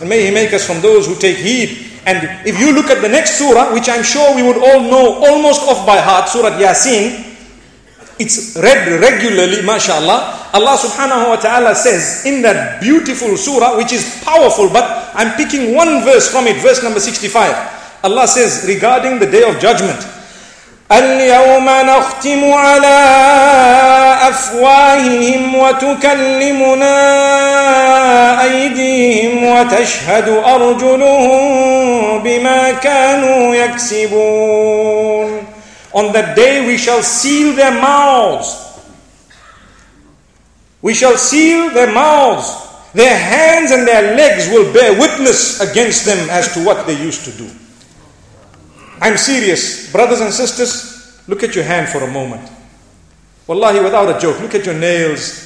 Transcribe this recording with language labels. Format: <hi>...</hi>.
<en>And may He make us from those who take heed. And if you look at the next surah, which I'm sure we would all know almost off by heart, Surah Yasin, it's read regularly, mashallah. Allah subhanahu wa ta'ala says in that beautiful surah, which is powerful, but I'm picking one verse from it, verse number 65. Allah says regarding the Day of Judgment,</en> <ar>الْيَوْمَ نَخْتِمُ عَلَىٰ أَفْوَاهِهِمْ وَتُكَلِّمُنَا أَيْدِيهِمْ وَتَشْهَدُ أَرْجُلُهُمْ بِمَا كَانُوا يَكْسِبُونَ.</ar> <en>On that day we shall seal their mouths. We shall seal their mouths. Their hands and their legs will bear witness against them as to what they used to do. I'm serious. Brothers and sisters, look at your hand for a moment. Wallahi, without a joke, look at your nails.</en>